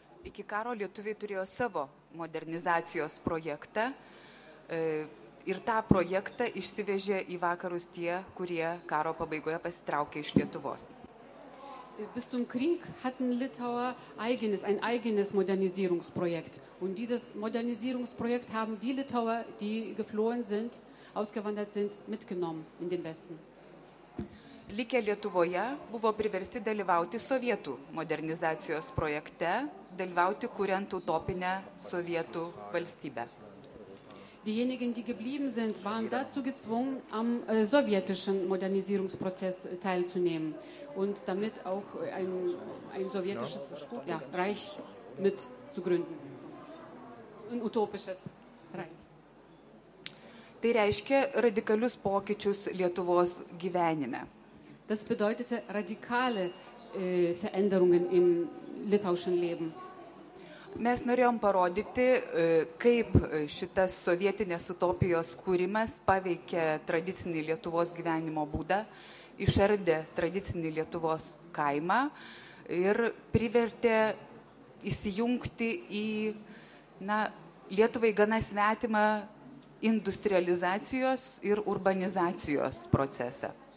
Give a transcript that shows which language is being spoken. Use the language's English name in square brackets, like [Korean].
[Lithuanian] Iki karo lietuviai turėjo savo modernizacijos projektą ir tą projektą išsivežė į vakarus tie, kurie karo pabaigoje pasitraukė iš Lietuvos. [German] Bis zum Krieg hatten Litauer ein eigenes Modernisierungsprojekt. Und dieses Modernisierungsprojekt haben die Litauer, die geflohen sind, ausgewandert sind, mitgenommen in den Westen. [Lithuanian] Likę Lietuvoje buvo priversti dalyvauti sovietų modernizacijos projekte, dalyvauti kuriant utopinę sovietų valstybę. [German] Diejenigen, die geblieben sind, waren dazu gezwungen, am sowjetischen Modernisierungsprozess teilzunehmen und damit auch ein sowjetisches Reich mit zu gründen. Ein utopisches Reich. [Lithuanian] Tai reiškia radikalius pokyčius Lietuvos gyvenime. [German] Das bedeutete radikale Veränderungen im litauischen Leben. [Lithuanian] Mes norėjom parodyti, kaip šitas sovietinės utopijos kūrimas paveikė tradicinį Lietuvos gyvenimo būdą, išardė tradicinį Lietuvos kaimą ir privertė įsijungti į Lietuvai gana svetimą industrializacijos ir urbanizacijos procesą.